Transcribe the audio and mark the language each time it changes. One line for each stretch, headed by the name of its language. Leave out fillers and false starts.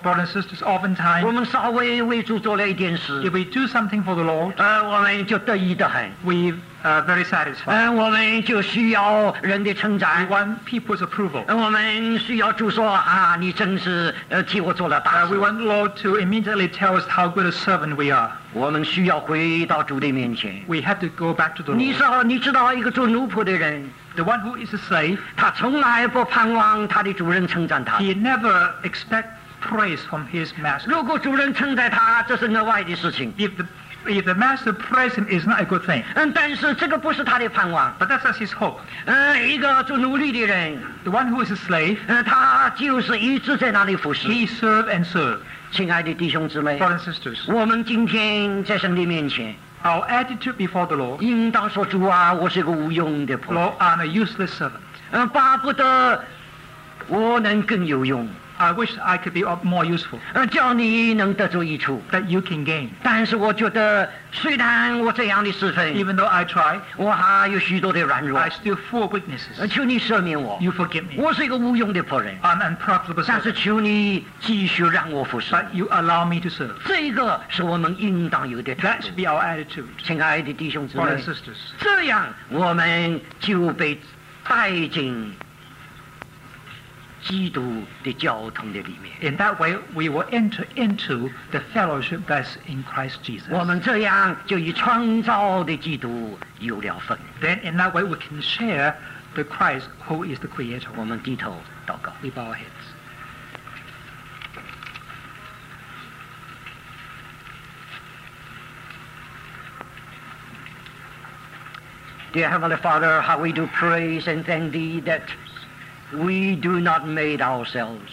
English: brothers and sisters, oftentimes,
Chinese: 我们稍微为主做了一点事,
English: if we do something for the Lord,
Chinese: 我们就得意得很,
English: we very satisfied. We want people's approval.
Chinese: 我们需要主说, 啊, 你真是替我做了大事,
English: we want the Lord to immediately tell us how good a servant we are.
Chinese: 我们需要回到主的面前,
English: we have to go back to the Lord.
Chinese: 你说, 你知道一个做奴仆的人,
English: the one who is a slave,
Chinese: 他从来不盼望他的主人称赞他,
English: he never expects praise from his master.
Chinese: 如果主人称赞他, 这是额外的事情,
English: if the master praises him, it's not a good thing.
Chinese: 但是这个不是他的盼望,
English: but that's not his hope.
Chinese: 一个做奴隶的人,
English: the one who is a slave,
Chinese: 他就是一直在那里服侍,
English: he serve and serve.
Chinese: 亲爱的弟兄姊妹,
English: brothers and sisters,
Chinese: 我们今天在神的面前,
English: our attitude before the Lord,
Chinese: 应当说主啊, 我是个无用的仆人,
English: Lord, I'm a useless servant.
Chinese: 巴不得我能更有用,
English: I wish I could be more useful.
Chinese: 叫你能得着益处。
English: That you can gain.
Chinese: 但是我觉得，虽然我这样的侍奉。
English: Even though I try.
Chinese: 我还有许多的软弱。
English: I still full of weaknesses.
Chinese: 求你赦免我。
English: You forgive me.
Chinese: 我是一个无用的仆人。
English: I'm unprofitable.
Chinese: 但是求你继续让我服侍。
English: But you allow me to serve.
Chinese: 这个是我们应当有的态度。
English: That should be our attitude.
Chinese: 亲爱的弟兄姊妹。
English: Brothers and sisters.
Chinese: 这样我们就被带进基督的交通的里面。
English: In that way, we will enter into the fellowship that's in Christ Jesus.
Chinese: 我们这样就与创造的基督有了份。
English: Then in that way, we can share the Christ who is the Creator.
Chinese: 我们低头祷告。
English: We bow our heads. Dear Heavenly Father, how we do praise and thank Thee that we do not made ourselves,